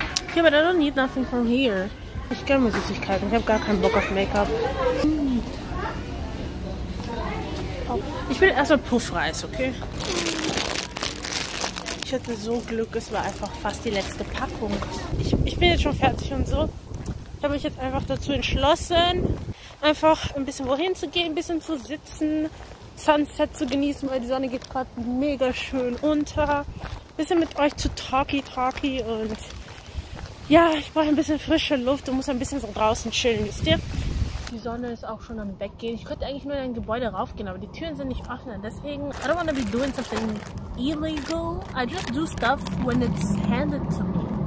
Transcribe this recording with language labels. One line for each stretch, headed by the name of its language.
English: Okay, but I don't need nothing from here.
German: Ich kann mir Süßigkeiten. Ich habe gar keinen Bock auf Make-up. Ich will erstmal Puffreis, okay? Ich hatte so Glück, es war einfach fast die letzte Packung. Ich bin jetzt schon fertig und so. Ich habe mich jetzt einfach dazu entschlossen, einfach ein bisschen wohin zu gehen, ein bisschen zu sitzen, Sunset zu genießen, weil die Sonne geht gerade mega schön unter. Ein bisschen mit euch zu talky-talky und ja, ich brauche ein bisschen frische Luft und muss ein bisschen so draußen chillen, wisst ihr? Die Sonne ist auch schon am Weggehen. Ich könnte eigentlich nur in ein Gebäude raufgehen, aber die Türen sind nicht offen.
English: Deswegen, I don't want to be doing something illegal. I just do stuff when it's handed to me.